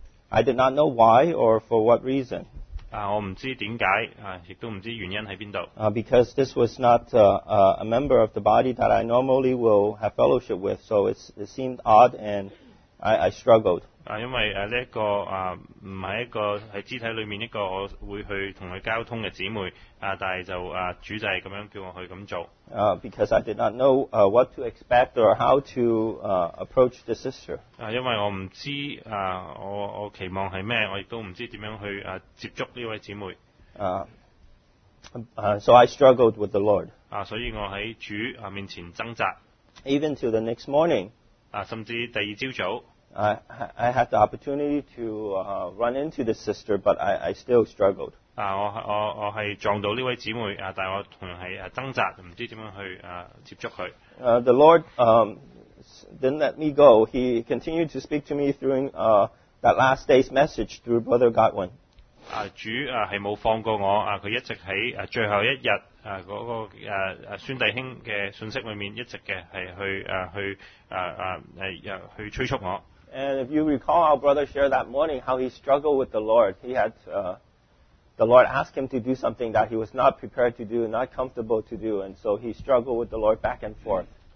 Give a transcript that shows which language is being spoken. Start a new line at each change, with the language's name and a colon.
English: I did not know why or for what reason.
Chinese: 我不知為何,亦都不知原因在哪裡。
English: Because this was not a member of the body that I normally will have fellowship with, so it seemed odd and I struggled.
Chinese: 因為這個不是一個在肢體裡面一個會去跟他交通的姊妹,但是主就是這樣叫我去這樣做。
English: Because I did not know what to expect or how to approach the sister.
Chinese: 因為我不知我期望是什麼,我也不知怎樣去接觸這位姊妹。
English: So I struggled with the Lord.
Chinese: 所以我在主面前掙扎。
English: Even till the next morning.
Chinese: 甚至第二早上。
English: I had the opportunity to run into this sister, but I still struggled.
Chinese: 我是撞到这位姊妹，但我仍然是挣扎，不知道怎样去接触她。
English: The Lord didn't let me go. He continued to speak to me through that last day's message through Brother Godwin.
Chinese: 主是没有放过我，他一直在最后一天那个孙弟兄的信息里面一直去催促我。
English: And if you recall our brother shared that morning how he struggled with the Lord. He had the Lord asked him to do something that he was not prepared to do, not comfortable to do, and so he struggled with the Lord back and forth.